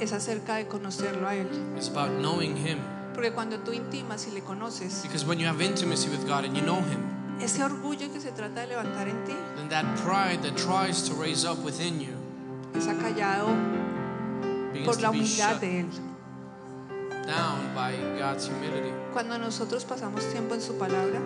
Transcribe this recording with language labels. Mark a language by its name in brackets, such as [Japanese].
[Spanish] Es acerca de conocerlo a él. [English] It's about knowing him. [Spanish] Porque cuando tú intimas y le conoces, [English] because when you have intimacy with God and you know him, [Spanish] ese orgullo que se trata de levantar en ti, [English] then that pride that tries to raise up within you [Spanish] es acallado por la humildad de él. [English] Down by God's humility. [Spanish] Cuando nosotros pasamos tiempo en su palabra,